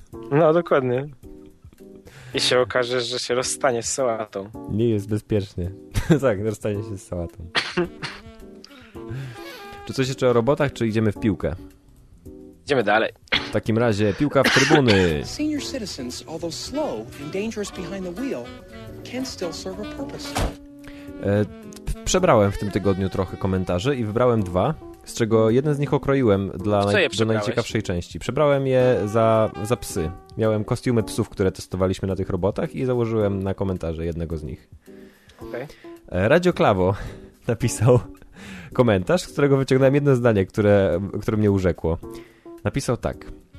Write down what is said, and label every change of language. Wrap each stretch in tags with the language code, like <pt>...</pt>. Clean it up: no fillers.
<pl>No, dokładnie. I się okaże, że się rozstanie z sałatą. Nie jest bezpiecznie. Tak, rozstanie się z sałatą. Czy coś jeszcze o robotach, czy idziemy w piłkę? Idziemy dalej. W takim razie piłka w trybuny.</pl> <en>Senior citizens, although slow and dangerous behind the wheel, can still serve a purpose.</en> <pl>Przebrałem w tym tygodniu trochę komentarzy i wybrałem dwa, z czego jeden z nich okroiłem do najciekawszej części. Przebrałem je za psy. Miałem kostiumy psów, które testowaliśmy na tych robotach i założyłem na komentarze jednego z nich.</pl> <en>Okay.</en> <pl>Radio Klawo napisał komentarz, z którego wyciągnąłem jedno zdanie, które mnie urzekło. Napisał tak.</pl>